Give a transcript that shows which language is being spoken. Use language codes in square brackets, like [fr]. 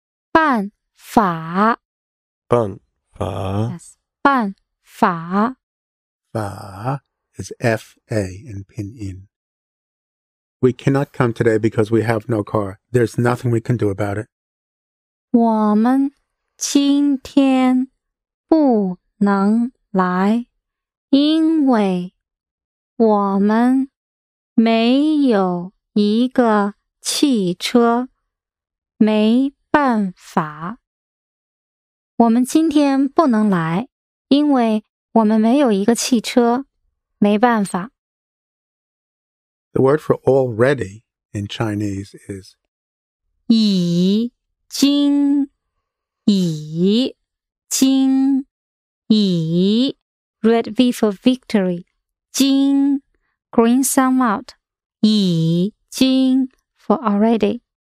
[zh] 办法。办法。 Yes, 办法。 [en] 法 is F-A in pinyin. We cannot come today because we have no car. There's nothing we can do about it. [zh] 我们今天不能来，因为我们没有一个汽车，没办法。我们今天不能来，因为我们没有一个汽车，没办法。 [en] The word for already in Chinese is 已经，已经，已 red V for victory, 经 green sound out, 已经 for already.